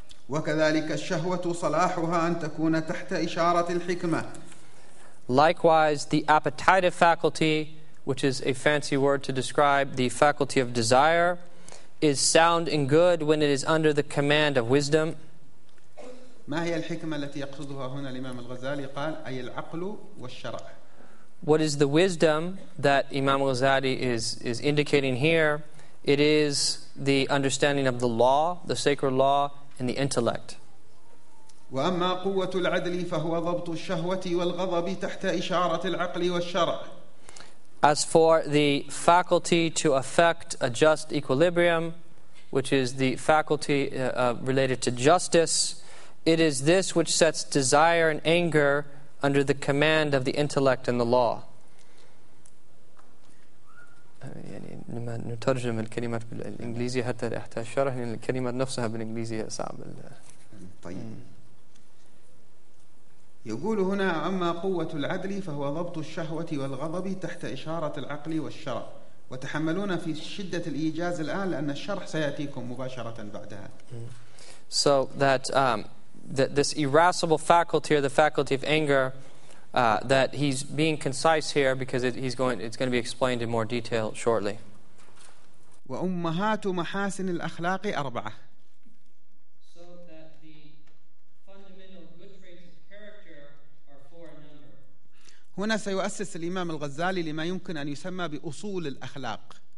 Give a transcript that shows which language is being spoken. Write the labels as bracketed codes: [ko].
[ar] وكذلك الشهوة صلاحها أن تكون تحت إشارة الحكمة. [en] Likewise, the appetitive faculty, which is a fancy word to describe the faculty of desire, is sound and good when it is under the command of wisdom. [ar] ما هي الحكمة التي يقصدها هنا الإمام الغزالي؟ قال أي العقل والشرع. [en] What is the wisdom that Imam Ghazali is indicating here? It is the understanding of the law, the sacred law, and the intellect. [ar] وأما قوة العدل فهو ضبط الشهوة والغضب تحت إشارة العقل والشرع. [en] As for the faculty to affect a just equilibrium, which is the faculty related to justice, it is this which sets desire and anger under the command of the intellect and the law. [ar] يعني لما نترجم الكلمات بالإنجليزية حتى أحتاج شرح لأن الكلمات نفسها بالإنجليزية صعب. طيب. يقول هنا أما قوة العدل فهو ضبط الشهوة والغضب تحت إشارة العقل والشرع. وتحملون في شدة الإيجاز الآن لأن الشرح سيأتيكم مباشرة بعدها. [en] So that this irascible faculty or the faculty of anger, that he's being concise here because it's going to be explained in more detail shortly. [ar] وأمهات محاسن الأخلاق أربعة. [en] So that the fundamental good traits of character are four in number. [ar] هنا سيؤسس الإمام الغزالي لما يمكن أن يسمى بأصول الأخلاق.